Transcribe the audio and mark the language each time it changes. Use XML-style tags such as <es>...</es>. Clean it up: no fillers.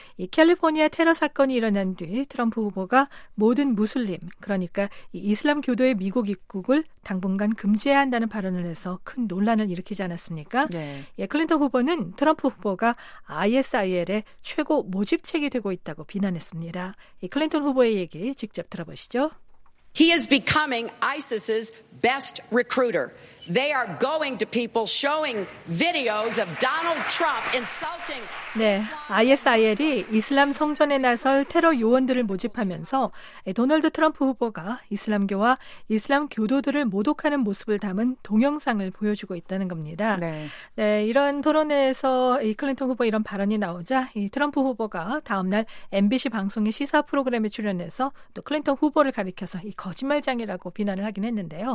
<ko>이 캘리포니아 테러 사건이 일어난 뒤 트럼프 후보가 모든 무슬림, 그러니까 이슬람교도의 미국 입국을 당분간 금지해야 한다는 발언을 해서 큰 논란을 일으키지 않았습니까? 네. 예, 클린턴 후보는 트럼프 후보가 ISIL의 최고 모집책이 되고 있다고 비난했습니다. 이 클린턴 후보의 얘기 직접 들어보시죠.</ko> <en>He is becoming ISIS's best recruiter. They are going to people showing videos of Donald Trump insulting.</en> <ko>네, ISIL이 이슬람 성전에 나설 테러 요원들을 모집하면서 도널드 트럼프 후보가 이슬람교와 이슬람 교도들을 모독하는 모습을 담은 동영상을 보여주고 있다는 겁니다. 네, 네, 이런 토론회에서 이 클린턴 후보 이런 발언이 나오자 이 트럼프 후보가 다음 날 MBC 방송의 시사 프로그램에 출연해서 또 클린턴 후보를 가리켜서 이 거짓말장이라고 비난을 하긴 했는데요.</ko>